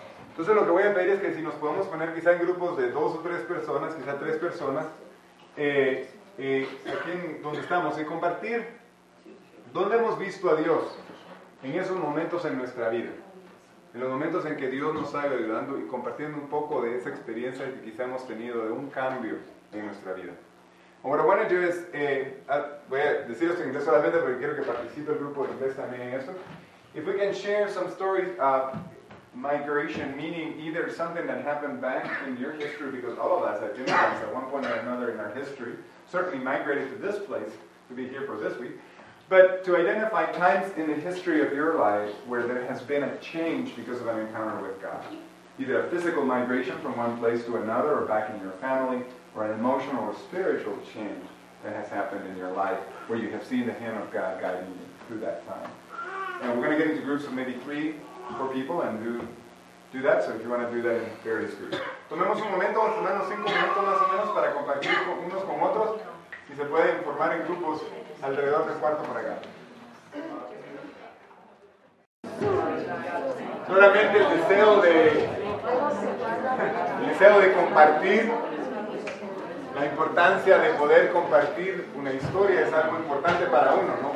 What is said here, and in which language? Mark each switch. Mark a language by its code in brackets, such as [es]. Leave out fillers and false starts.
[es] Entonces lo que voy a pedir es que si nos podemos poner quizá en grupos de dos o tres personas, quizá tres personas, aquí en donde estamos, y compartir dónde hemos visto a Dios en esos momentos en nuestra vida, en los momentos en que Dios nos ha ido ayudando, y compartiendo un poco de esa experiencia que quizá hemos tenido de un cambio en nuestra vida. Ahora, bueno, yo es, voy a decir esto en inglés solamente porque quiero que participe el grupo de inglés también en esto. [en] If we can share some stories of migration, meaning either something that happened back in your history, because all of us at immigrants at one point or another in our history certainly migrated to this place to be here for this week, but to identify times in the history of your life where there has been a change because of an encounter with God, either a physical migration from one place to another or back in your family, or an emotional or spiritual change that has happened in your life where you have seen the hand of God guiding you through that time. And we're going to get into groups of maybe three, four people and do that, so if you want to do that in various groups. [es] Tomemos un momento, vamos a tomarnos 5 minutos más o menos para compartir unos con otros y se pueden formar en grupos alrededor del cuarto por acá. Solamente el deseo de compartir, la importancia de poder compartir una historia es algo importante para uno, ¿no?